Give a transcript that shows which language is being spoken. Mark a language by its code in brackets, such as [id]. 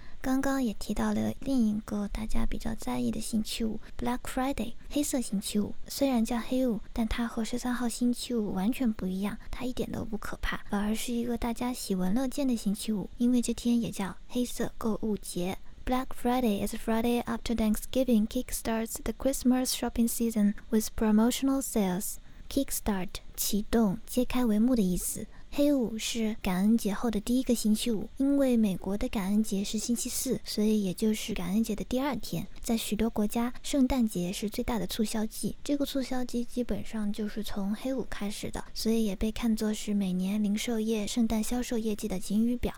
[zh] 刚刚也提到了另一个大家比较在意的星期五 Black Friday 黑色星期五，虽然叫黑五，但它和13号星期五完全不一样，它一点都不可怕，反而是一个大家喜闻乐见的星期五，因为这天也叫黑色购物节。 [en] Black Friday is Friday after Thanksgiving kickstarts the Christmas shopping season with promotional sales. [zh] Kickstart 启动，揭开帷幕的意思。黑五是感恩节后的第一个星期五，因为美国的感恩节是星期四，所以也就是感恩节的第二天。在许多国家，圣诞节是最大的促销季，这个促销季基本上就是从黑五开始的，所以也被看作是每年零售业圣诞销售业绩的晴雨表。